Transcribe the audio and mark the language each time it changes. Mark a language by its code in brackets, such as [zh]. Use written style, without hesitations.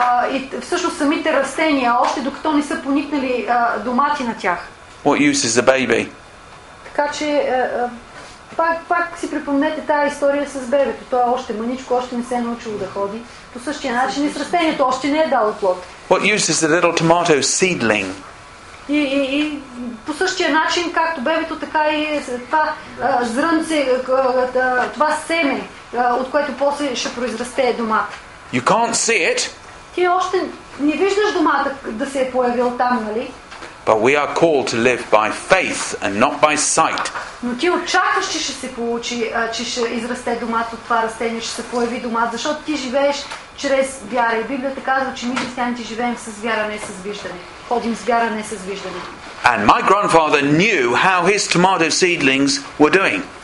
[bg] И всъщност самите растения, още докато не са поникнали домати на тях. [en] What use is the baby? [bg] Така че пак си припомнете тази история с бебето. Той е още мъничко, още не се е научило да ходи. По същия начин и с растението още не е дало плод. [en] What use is the little tomato seedling? [bg] И по същия начин, както бебето, така и това зрънце, това семе, от което после ще произрасте домата. [en] You can't see it. [bg] Ти още не виждаш домата да се е появил там, нали? [en] But we are called to live by faith and not by sight. [bg] Но ти очакваш, че ще се получи, че ще израсте домат от това растение, ще се появи домат, защото ти живееш чрез вяра. И Библията казва, че ние християните живеем с вяра, не с виждане. Ходим с вяра, не с виждане. [en] And my grandfather knew how his tomato seedlings were doing.